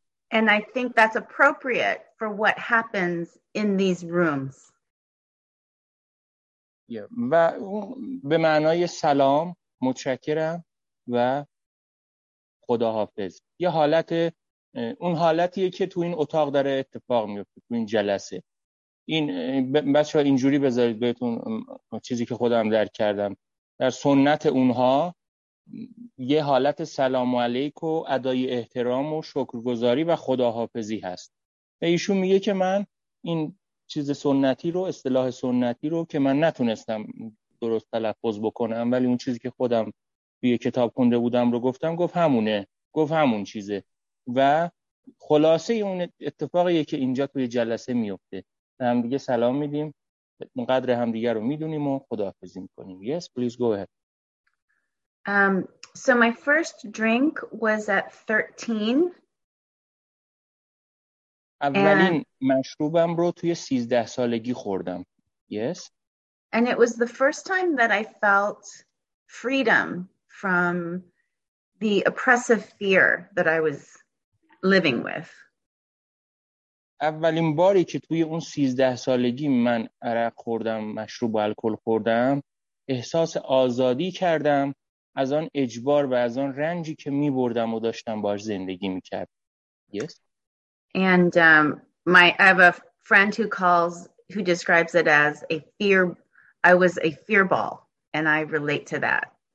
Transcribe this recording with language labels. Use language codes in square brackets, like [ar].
[en] And I think that's appropriate for what happens in these rooms. [fa] Yeah, و به معنای سلام، متشکرم و خداحافظ. یه حالت، اون حالتیه که تو این اتاق داره اتفاق میفته، تو این جلسه. این بچه‌ها اینجوری بذارید بهتون چیزی که خودم درک کردم. در سنت اونها یه حالت سلام علیک و ادای احترام و شکرگزاری و خداحافظی هست. به ایشون میگه که من این چیز سنتی رو، اصطلاح سنتی رو که من نتونستم درست تلفظ بکنم، ولی اون چیزی که خودم توی کتاب خونده بودم رو گفتم، گفت همونه، گفت همون چیزه و خلاصه اون اتفاقیه که اینجا توی جلسه میفته. هم دیگه سلام میدیم، قدر هم دیگه رو میدونیم و خداحافظی میکنیم. [en] Yes, please go ahead. So my first drink was at 13. [fa] اولین مشروبم رو توی 13 سالگی خوردم. [en] Yes. And it was the first time that I felt freedom from the oppressive fear that I was living with. [fa] اولین باری که توی اون 13 سالگی من عرق خوردم، مشروب و الکل خوردم، احساس آزادی کردم از آن اجبار و از آن رنجی که می بردم و داشتم باش زندگی می کردم. [en] Yes. And I have a friend who describes it as a fear. I was a fear ball, and I relate to that.